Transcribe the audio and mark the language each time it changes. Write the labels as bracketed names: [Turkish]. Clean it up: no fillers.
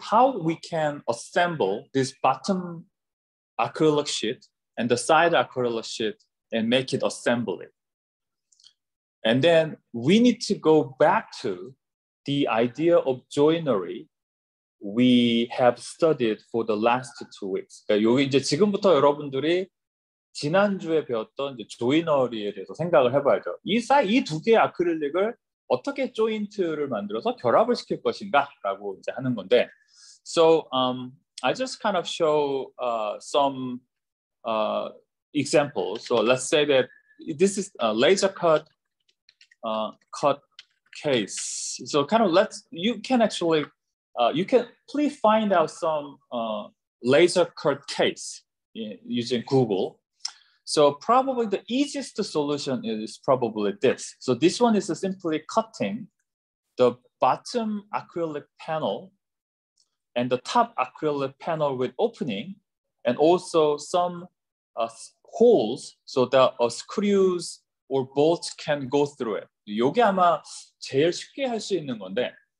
[English] How we can assemble this bottom acrylic sheet and the side acrylic sheet and make it assembly. And then we need to go back to the idea of joinery we have studied for the last 2 weeks. [Korean] 그러니까 여기 이제 지금부터 여러분들이 지난주에 배웠던 이제 조이너리에 대해서 생각을 해봐야죠. 이 두 개의 아크릴릭을 어떻게 조인트를 만들어서 결합을 시킬 것인가라고 이제 하는 건데. [English] So I just kind of show some examples. So let's say that this is a laser cut cut case. So kind of please find out some laser cut case using Google. So probably the easiest solution is probably this. So this one is simply cutting the bottom acrylic panel and the top acrylic panel with opening and also some holes so that screws or bolts can go through it. [Korean] 이게 아마 제일 쉽게 할 수 있는 건데.